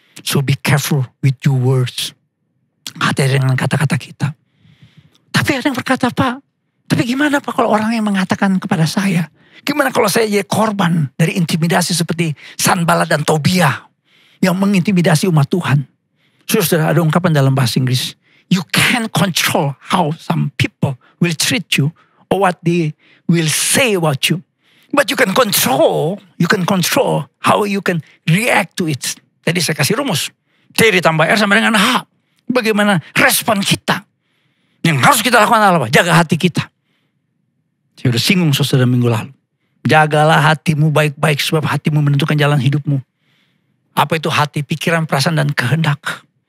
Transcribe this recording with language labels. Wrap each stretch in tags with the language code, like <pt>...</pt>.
<en>So be careful with your words.</en> <id>Hati-hati dengan kata-kata kita. Tapi ada yang berkata, Pak, tapi gimana Pak kalau orang yang mengatakan kepada saya? Gimana kalau saya jadi korban dari intimidasi seperti Sanbalat dan Tobia yang mengintimidasi umat Tuhan? Saudara, ada ungkapan dalam bahasa Inggris.</id> <en>You can't control how some people will treat you or what they will say about you. But you can control how you can react to it.</en> <id>Jadi saya kasih rumus. T ditambah R sama dengan H. Bagaimana respon kita? Yang harus kita lakukan adalah apa? Jaga hati kita. Saya sudah singgung saudara minggu lalu. Jagalah hatimu baik-baik sebab hatimu menentukan jalan hidupmu. Apa itu hati, pikiran, perasaan, dan kehendak?</id>